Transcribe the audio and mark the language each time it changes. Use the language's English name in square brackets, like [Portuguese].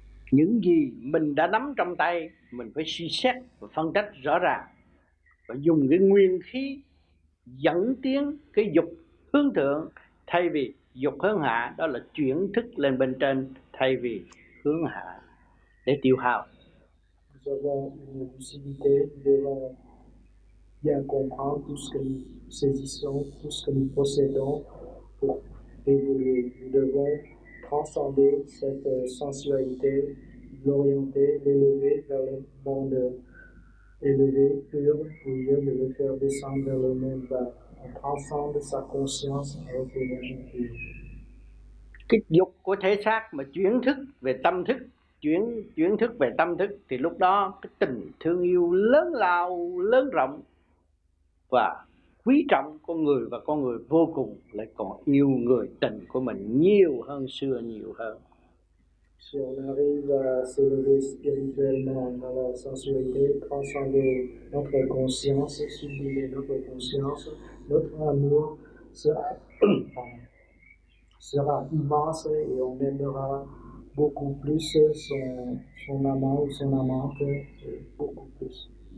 [Vietnamese] Những gì mình đã nắm trong tay, mình phải suy xét và phân tích rõ ràng và dùng cái nguyên khí dẫn tiến cái dục hướng thượng thay vì dục hướng hạ, đó là chuyển thức lên bên trên thay vì hướng hạ để tiêu hao. [French] Nous avons une lucidité, nous devons bien comprendre tout ce que nous saisissons, tout ce que nous possédons pour évoluer. Nous devons transcender cette sensualité, l'orienter, l'élever vers le monde élevé, pur, au lieu de le faire descendre vers le monde bas. On transcende sa conscience avec l'énergie pure. [Vietnamese] Kích dục của thể xác mà chuyển thức về tâm thức, chuyển thức về tâm thức, thì lúc đó cái tình thương yêu lớn lao, lớn rộng và quý trọng con người và con người vô cùng lại còn yêu người tình của mình nhiều hơn xưa nhiều hơn. [French] Si on arrive à se lever spirituellement dans la sensualité, transcender notre conscience, sublimer notre conscience, notre amour sera immense et on aimera beaucoup plus son amant ou son amante, beaucoup plus.